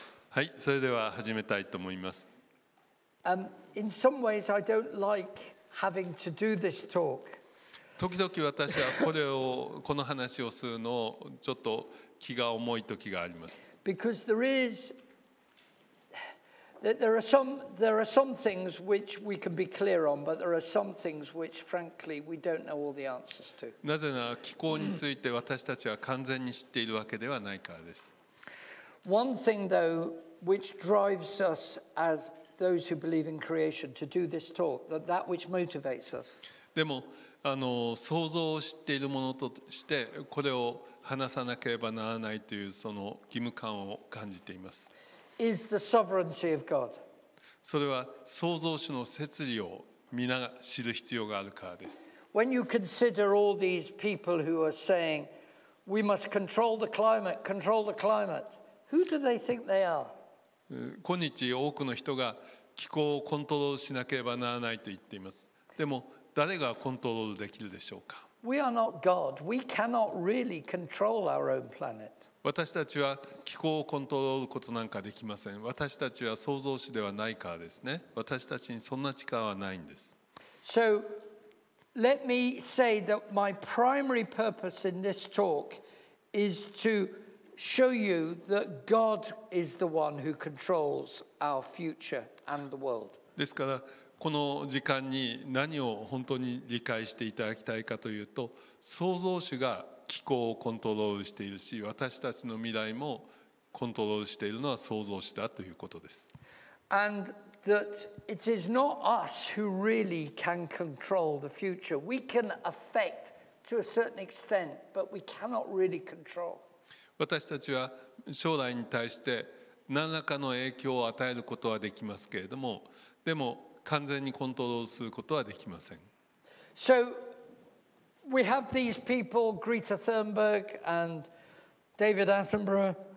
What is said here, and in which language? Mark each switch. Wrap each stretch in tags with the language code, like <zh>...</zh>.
<ja>はい、それでは始めたいと思います。</ja> <en>In some ways, I don't like having to do this talk.</en> <ja>時々私はこれをこの話をするのをちょっと気が重い時があります。</ja> <en>Because there are some things which we can be clear on, but there are some things which, frankly, we don't know all the answers to.</en> <ja>なぜなら気候について私たちは完全に知っているわけではないからです。</ja> <en>One thing, though, which drives us as those who believe in creation to do this talk, that which motivates us.</en> <ja>でも、想像を知っているものとしてこれを話さなければならないというその義務感を感じています。</ja> <en>Is the sovereignty of God.</en> <ja>それは創造主の摂理を皆が知る必要があるからです。</ja> <en>When you consider all these people who are saying, we must control the climate, control the climate, who do they think they are?</en> <ja>今日多くの人が気候をコントロールしなければならないと言っています。でも誰がコントロールできるでしょうか？</ja> <en>We are not God. We cannot really control our own planet.</en> <ja>私たちは気候をコントロールことなんかできません。私たちは創造主ではないからですね。私たちにそんな力はないんです。</ja> <en>So, let me say that my primary purpose in this talk is to show you that God is the one who controls our future and the world.</en> <ja>ですから、この時間に何を本当に理解していただきたいかというと、創造主が気候をコントロールしているし、私たちの未来もコントロールしているのは創造主だということです。</ja> <en>And that it is not us who really can control the future. We can affect to a certain extent, but we cannot really control.</en> <ja>私たちは将来に対して何らかの影響を与えることはできますけれども、でも完全にコントロールすることはできません。</ja> <en>So,We have these people, Greta Thunberg and David Attenborough.</en>